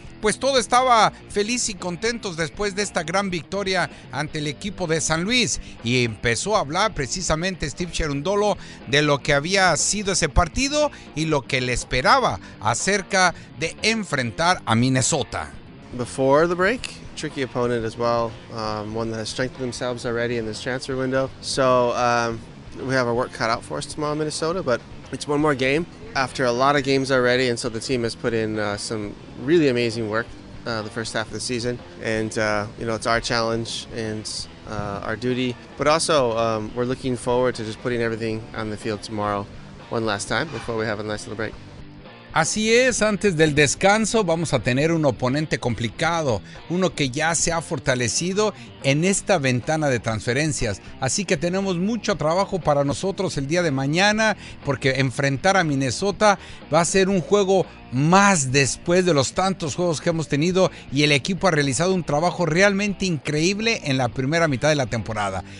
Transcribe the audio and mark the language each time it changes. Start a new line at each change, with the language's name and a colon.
Spanish: Pues todo estaba feliz y contentos después de esta gran victoria ante el equipo de San Luis, y empezó a hablar precisamente Steve Cherundolo de lo que había sido ese partido y lo que le esperaba acerca de enfrentar a Minnesota.
English: Before the break, tricky opponent as well, one that has strengthened themselves already in this transfer window. So we have our work cut out for us tomorrow, Minnesota, but it's one more game after a lot of games already, and so the team has put in some really amazing work the first half of the season, and you know, it's our challenge and our duty, but also we're looking forward to just putting everything on the field tomorrow one last time before we have a nice little break.
Spanish: Así es, antes del descanso vamos a tener un oponente complicado, uno que ya se ha fortalecido en esta ventana de transferencias. Así que tenemos mucho trabajo para nosotros el día de mañana, porque enfrentar a Minnesota va a ser un juego más después de los tantos juegos que hemos tenido, y el equipo ha realizado un trabajo realmente increíble en la primera mitad de la temporada.